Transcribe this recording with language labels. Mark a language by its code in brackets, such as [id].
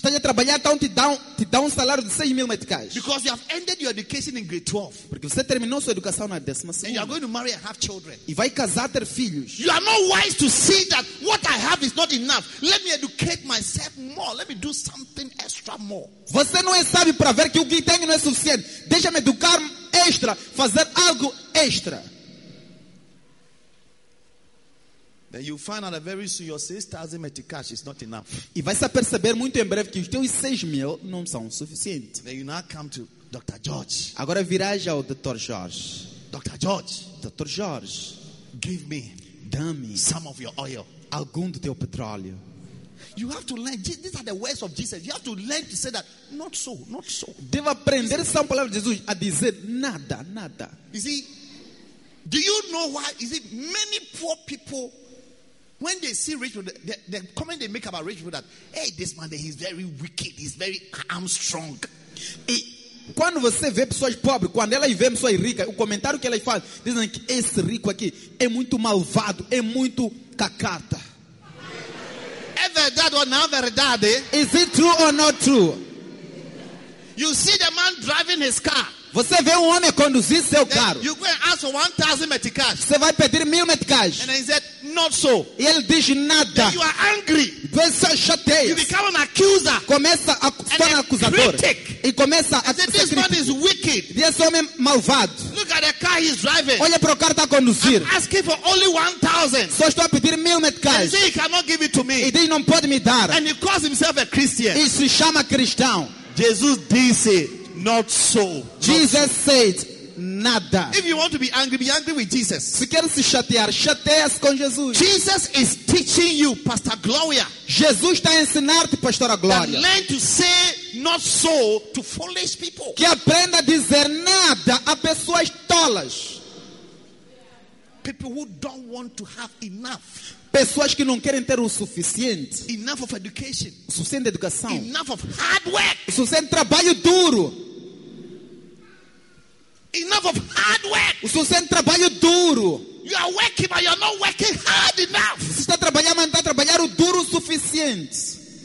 [pt] Estás a trabalhar, então te dá um salário de 6,000 meticais. [en] Because you have ended your education in grade 12. [pt] Porque você terminou sua educação na 12ª. [en] And you are going to marry and have children. [pt] E vai casar, ter filhos. [en] You are not wise to see that what I have is not enough. Let me educate myself more. Let me do something extra more. [pt] Você não é sábio para ver que o que tem não é suficiente. Deixa-me educar extra, fazer algo extra. [en] Then you find out very soon your 6,000 meticais is not enough. [pt] E vai se aperceber muito em breve que os teus 6,000 não são suficientes. [en] Then you now come to Dr. George. [pt] Agora virás ao Dr. George. [en] Dr. George. [pt] Dr. George. [en] Give me. [pt] Dá-me. [en] Some of your oil. [pt] Algum do teu petróleo. [en] You have to learn. These are the words of Jesus. You have to learn to say that. Not so. Not so. [pt] Deve aprender são palavras de Jesus a dizer nada, nada. [en] You see, do you know why? Is it many poor people? When they see rich people, the comment they make about rich people that, hey, this man, he's very wicked, he's very armstrong. [pt] E quando você vê pessoas pobres, quando elas vêem pessoas ricas, o comentário que elas fazem, dizem que esse rico aqui é muito malvado, é muito cacata. É verdade ou não verdade? [en] Is it true or not true? You see the man driving his car. [pt] Você vê homem conduzir seu carro. [en] You go and ask for 1,000 meticais. [pt] Você vai pedir 1,000 meticais. [en] And he said, not so. [pt] E ele diz nada. [en] Then you are angry. [pt] Você chateia. [en] You become an accuser. [pt] Começa a ser acusador. [en] Critic. [pt] E começa a ser crítico. [en] This man is wicked. [pt] E esse homem malvado. [en] Look at the car he's driving. [pt] Olha para o carro que está a conduzir. [en] I'm asking for only 1,000. [pt] Só estou a pedir 1,000 meticais. [en] And he cannot give it to me. [pt] E diz, não pode me dar. [en] And he calls himself a Christian. [pt] E se chama cristão. Jesus disse, [en] not so. Jesus not so. Said nada. If you want to be angry with Jesus. [pt] Se quer se chatear, chateia-se com Jesus. [en] Jesus is teaching you, Pastor Gloria. [pt] Jesus está a ensinar-te, Pastora Glória. [en] Learn to say not so to foolish people. [pt] Que aprenda a dizer nada a pessoas tolas. [en] People who don't want to have enough. [pt] Pessoas que não querem ter o suficiente. [en] Enough of education. [pt] O suficiente de educação. [en] Enough of hard work. [pt] O suficiente de trabalho duro. [en] Enough of hard work. [pt] O suficiente de trabalho duro. [en] You are working, but you are not working hard enough. [pt] Você está trabalhando, mas não está a trabalhar o duro o suficiente.